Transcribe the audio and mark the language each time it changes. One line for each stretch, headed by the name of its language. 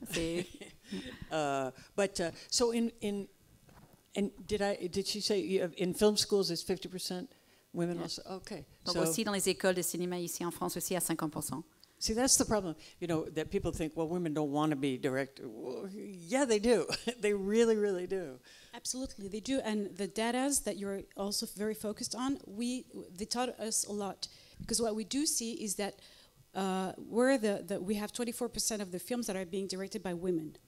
English: Did she say you have, in film schools it's 50%? Women yeah. also, okay.
French: Donc so, aussi dans les écoles de cinéma ici en France aussi à 50%.
English: See, that's the problem, you know, that people think, well, women don't want to be director. Well, yeah, they do. They really, really do. Absolutely, they do. And the data that you're also very focused on, they taught us a lot. Because what we do see is that we have 24% of the films that are being directed by women.